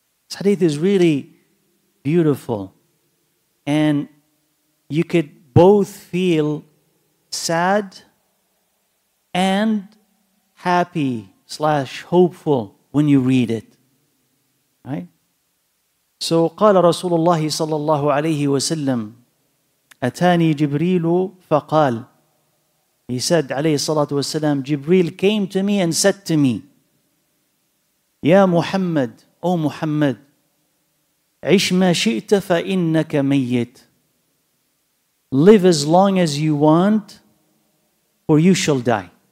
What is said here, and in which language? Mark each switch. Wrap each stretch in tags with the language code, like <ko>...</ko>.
<en>This hadith is really beautiful. And you could both feel sad and happy / hopeful when you read it, right?</en> <ar>So قال رسول الله صلى الله عليه وسلم أتاني جبريل فقال.</ar> <en>He said,</en> <ar>عليه الصلاة والسلام,</ar> <en>Jibreel came to me and said to me, يا محمد, O محمد,</en> <ar>عش ما شئت فإنك ميت.</ar> <en>Live as long as you want, for you shall die.</en>